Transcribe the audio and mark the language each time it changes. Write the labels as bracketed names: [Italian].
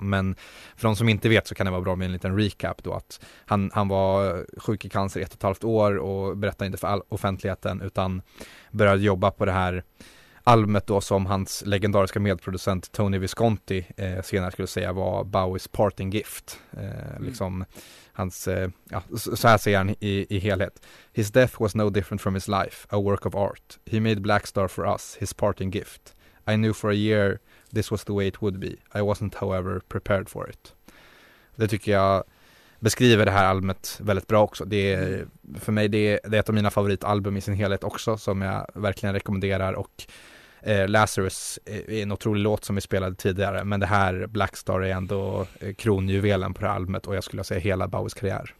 [Swedish] Men för de som inte vet så kan det vara bra med en liten recap då, att han var sjuk i cancer i 1,5 år och berättade inte för offentligheten utan började jobba på det här albumet då som hans legendariska medproducent Tony Visconti senare skulle säga var Bowies parting gift. Liksom hans, så här säger han i helhet. [English] His death was no different from his life, a work of art. He made Black Star for us, his parting gift. I knew for a year this was the way it would be. I wasn't however prepared for it. [Swedish] Det tycker jag beskriver det här albumet väldigt bra också. Det är, för mig, det är ett av mina favoritalbum i sin helhet också, som jag verkligen rekommenderar. Och Lazarus är en otrolig låt som vi spelade tidigare, men det här Black Star är ändå kronjuvelen på det här albumet och jag skulle säga hela Bowies karriär.